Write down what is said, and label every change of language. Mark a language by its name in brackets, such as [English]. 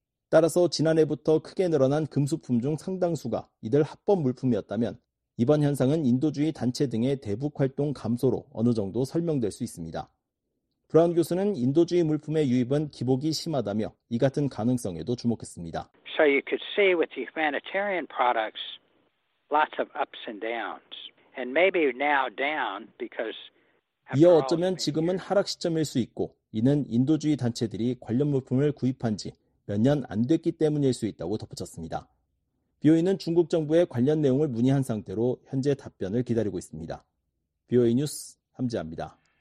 [Korean] 따라서 지난해부터 크게 늘어난 금수품 중 상당수가 이들 합법 물품이었다면 이번 현상은 인도주의 단체 등의 대북 활동 감소로 어느 정도 설명될 수 있습니다. 브라운 교수는 인도주의 물품의 유입은 기복이 심하다며 이 같은 가능성에도 주목했습니다. [English] So you could see with the humanitarian products, lots of ups and downs. And maybe now down because [Korean] 이어 어쩌면 지금은 하락 시점일 수 있고 이는 인도주의 단체들이 관련 물품을 구입한 지 몇 년 안 됐기 때문일 수 있다고 덧붙였습니다. BOA는 중국 정부에 관련 내용을 문의한 상태로 현재 답변을 기다리고 있습니다. BOA 뉴스 함지아입니다.